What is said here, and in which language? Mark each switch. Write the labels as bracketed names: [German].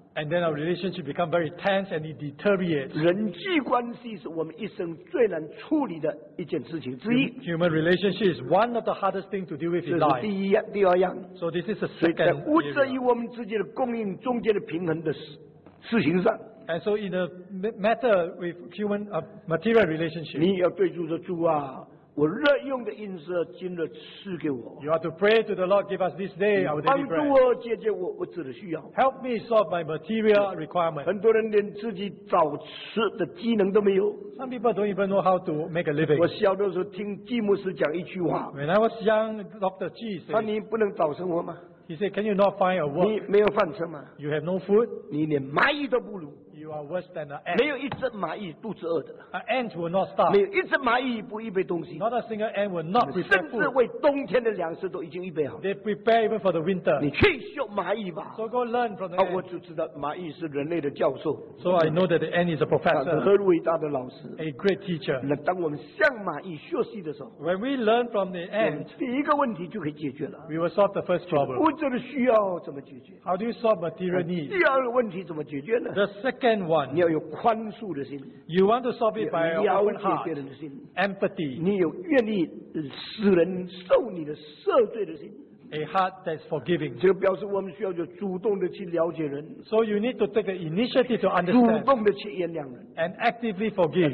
[English] and then our relationship becomes very tense and it deteriorates. Human relationship is one of the hardest things to deal with in life. [Chinese] 第二样, [English] so this is the second [Chinese] area。所以在物质与我们之间的供应中间的平衡的事情上。 [English] And so in a matter with human material relationship, [Chinese] 你要对主说主啊, 我日用的饮食今日赐给我, [English] you have to pray to the Lord, give us this day our daily bread. [Chinese] 帮助我解决我物质的需要, [English] help me solve my material requirement. [Chinese] 很多人连自己找吃的技能都没有, [English] some people don't even know how to make a living. [Chinese] 我小的时候听季牧师讲一句话, [English] when I was young, Dr. G said, [Chinese] 你不能找生活吗? [English] He said, can you not find a work? [Chinese] 你没有饭吃吗? [English] You have no food? [Chinese] 你连蚂蚁都不如, [English] you are worse than an ant. [Chinese] 没有一只蚂蚁肚子饿的, [English] an ant will not starve. [Chinese] 没有一只蚂蚁不预备东西, [English] not a single ant will not prepare food. [Chinese] 甚至为冬天的粮食都已经预备好, [English] they prepare even for the winter. [Chinese] 你去学蚂蚁吧, [English] so go learn from the ant. [Chinese] 我就知道蚂蚁是人类的教授, [English] so I know that the ant is a professor, [Chinese] 很伟大的老师, [English] a great teacher. [Chinese] 当我们向蚂蚁学习的时候, [English] when we learn from the ant, [Chinese] 第一个问题就可以解决了, [English] we will solve the first problem. [Chinese] 物质的需要怎么解决? [English] How do you solve material needs? [Chinese] 第二个问题怎么解决呢? [English] The second, you want to solve it by your own heart, empathy, a heart that's forgiving. So you need to take the initiative to understand and actively forgive.